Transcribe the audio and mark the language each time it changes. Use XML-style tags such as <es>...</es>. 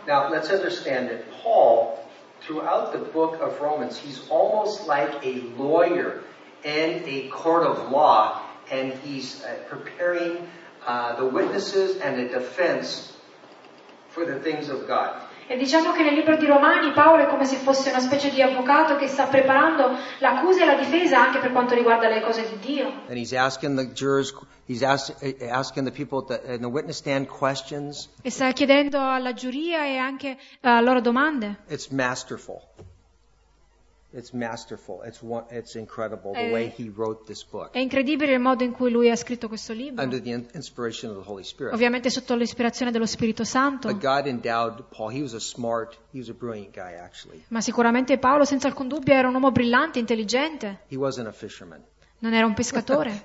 <en>Now let's understand that Paul, throughout the book of Romans, he's almost like a lawyer in a court of law, and he's preparing the witnesses and the defense for the things of God.</en> <it>E diciamo che nel libro di Romani Paolo è come se fosse una specie di avvocato che sta preparando l'accusa e la difesa anche per quanto riguarda le cose di Dio.</it> <en>And he's asking the jurors, he's asking the people in the witness stand questions.</en> <it>E sta chiedendo alla giuria e anche loro domande.</it> <en>It's masterful. It's masterful. It's incredible the way he wrote this book.</en> <it>È incredibile il modo in cui lui ha scritto questo libro.</it> <en>Under the inspiration of the Holy Spirit.</en> <it>Ovviamente sotto l'ispirazione dello Spirito Santo.</it> <en>But God endowed Paul. He was a smart, he was a brilliant guy actually.</en> <it>Ma sicuramente Paolo senza alcun dubbio era un uomo brillante, intelligente.</it> <en>He wasn't a fisherman.</en> <it>Non era un pescatore.</it>